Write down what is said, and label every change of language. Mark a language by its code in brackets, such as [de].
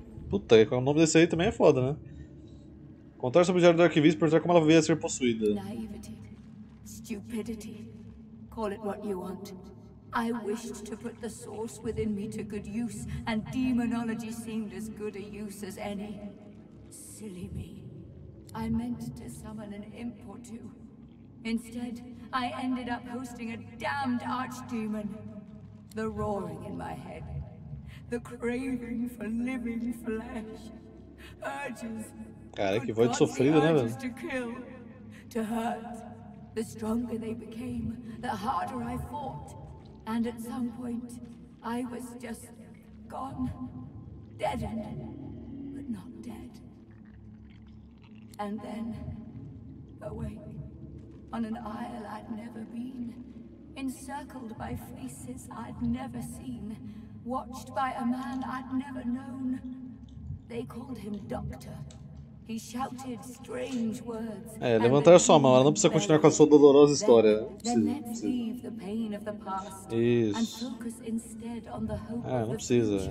[pt] Puta, o nome desse aí também é foda, né? Contar sobre o diário do arquivista e perguntar como ela veio a ser possuída. [en] Naivety, stupidity. Call it what you want. I wished to put the source within me to good use, and demonology seemed as good a use as any. Silly me. I meant to summon an imp or two. Instead, I ended up hosting a damned archdemon. The roaring in my head. The craving for living flesh. Urges. [pt] Cara, que voz sofrida, né, velho? [en] To kill, to hurt. The stronger they became, the harder I fought. And at some point, I was just gone. Deadened, but not dead. And then, awake. On an isle I'd never been, encircled by faces I'd never seen, watched by a man I'd never known. They called him Doctor. He shouted strange words. [pt] Levantar sua mão, ela não precisa continuar com a sua dolorosa história. [en] Let's leave the pain of the past and focus instead on the hope of the future.